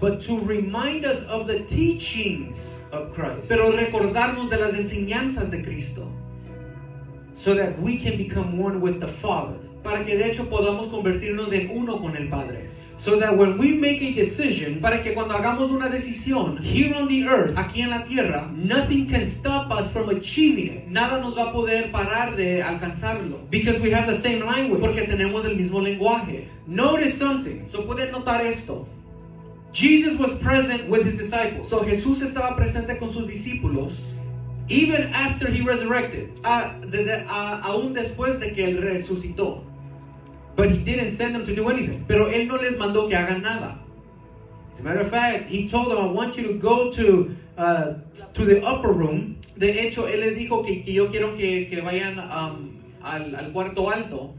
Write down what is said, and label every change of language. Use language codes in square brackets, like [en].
[en] but to remind us of the teachings of Christ, [es] pero recordarnos de las enseñanzas de Cristo, [en] so that we can become one with the Father, [es] para que de hecho podamos convertirnos en uno con el Padre. [en] So that when we make a decision, [es] para que cuando hagamos una decisión, [en] here on the earth, [es] aquí en la tierra, [en] nothing can stop us from achieving it. [es] Nada nos va a poder parar de alcanzarlo. [en] Because we have the same language. [es] Porque tenemos el mismo lenguaje. [en] Notice something. [es] So pueden notar esto. [en] Jesus was present with his disciples. [es] So Jesús estaba presente con sus discípulos. [en] Even after he resurrected. [es] Aún después de que él resucitó. [en] But he didn't send them to do anything. [es] Pero él no les mandó que hagan nada. [en] As a matter of fact, he told them, "I want you to go to the upper room." [es] De hecho, él les dijo que yo quiero que vayan al cuarto alto,